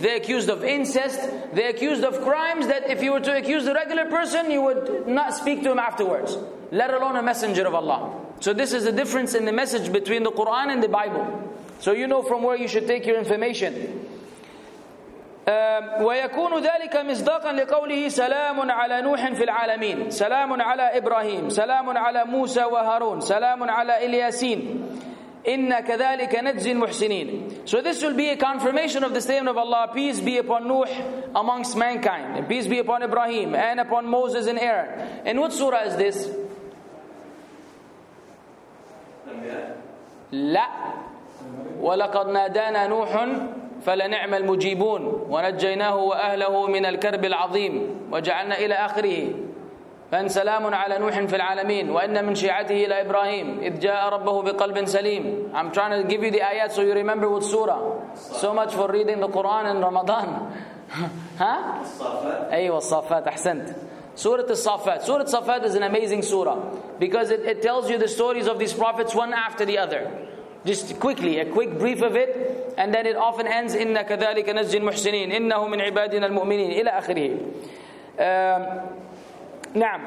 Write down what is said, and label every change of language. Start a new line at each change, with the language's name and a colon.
English: They're accused of incest. They're accused of crimes that if you were to accuse the regular person, you would not speak to him afterwards, let alone a messenger of Allah. So this is the difference in the message between the Quran and the Bible. So you know from where you should take your information.
Arabic: ويكون ذلك مصداقا لقوله سلام على نوح في العالمين سلام على إبراهيم سلام على موسى وهارون سلام على إلياسين إن كذلك نجزي المحسنين.
English: So this will be a confirmation of the statement of Allah, peace be upon Nuh amongst mankind, and peace be upon Ibrahim and upon Moses and Aaron. And what surah is this?
Arabic: لا ولقد نادانا نوح فلنعم المجيبون ونجيناه وأهله من الكرب العظيم وجعلنا إلى آخره فانسلام على نوح في العالمين وإن من شيعته إلى إبراهيم إذ جاء ربه بقلب سليم.
English: I'm trying to give you the ayat so you remember what surah. So much for reading the Quran in Ramadan. Huh?
Arabic: الصافات. أيوة الصافات, أحسنت. Surah As-Saffat.
English: Surah As-Saffat is an amazing surah because it tells you the stories of these prophets one after the other. Just quickly, a quick brief of it, and then it often ends,
Arabic: إِنَّ كَذَلِكَ نَزِّي الْمُحْسِنِينَ إِنَّهُ مِنْ عِبَادِنَا الْمُؤْمِنِينَ إِلَىٰ أَخِرِهِ نعم.